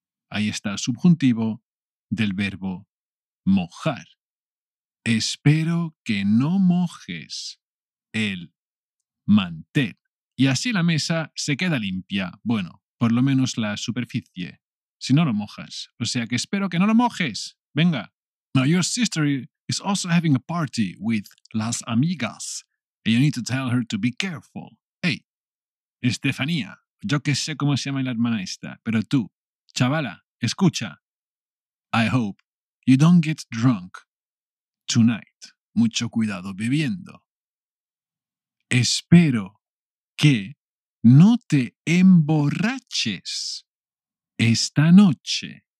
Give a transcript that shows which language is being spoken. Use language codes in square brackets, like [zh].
[es] Ahí está el subjuntivo del verbo mojar. Espero que no mojes el mantel. Y así la mesa se queda limpia. Bueno, por lo menos la superficie. Si no lo mojas. O sea que espero que no lo mojes. Venga. [en] Now your sister is also having a party with [es] las amigas. [en] And you need to tell her to be careful. Hey, Estefanía. [es] Yo que sé cómo se llama la hermana esta. Pero tú, chavala, escucha. [en] I hope you don't get drunk tonight. [es] Mucho cuidado bebiendo. Espero que no te emborraches esta noche.